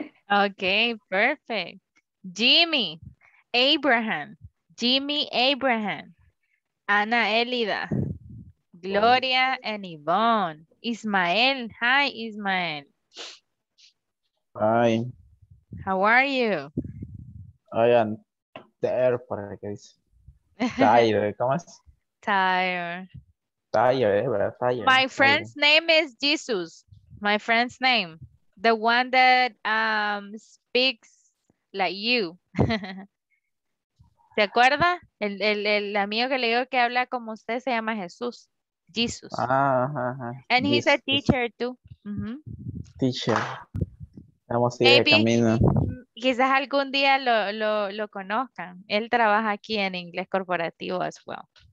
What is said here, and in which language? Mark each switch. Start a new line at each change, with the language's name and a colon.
English: Okay, perfect. Jimmy. Abraham, Jimmy Abraham, Ana Elida, Gloria and Yvonne, Ismael, hi Ismael. Hi. How are you? I am tired,
Spanish: para que
English: tired,
Spanish: ¿cómo es?
English: Tired. Tired,
Spanish: ¿verdad?
English: Tired. My friend's tired. Name is Jesus, my friend's name, the one that speaks like you.
Spanish: ¿Se acuerda? El amigo que le digo que habla como usted se llama Jesús.
English: Jesus. Ah, ajá, ajá. And he's a teacher too. Mm-hmm.
Spanish: Teacher. Vamos a ir de camino. Quizás algún día lo conozcan. Él trabaja aquí en inglés corporativo
English: as well.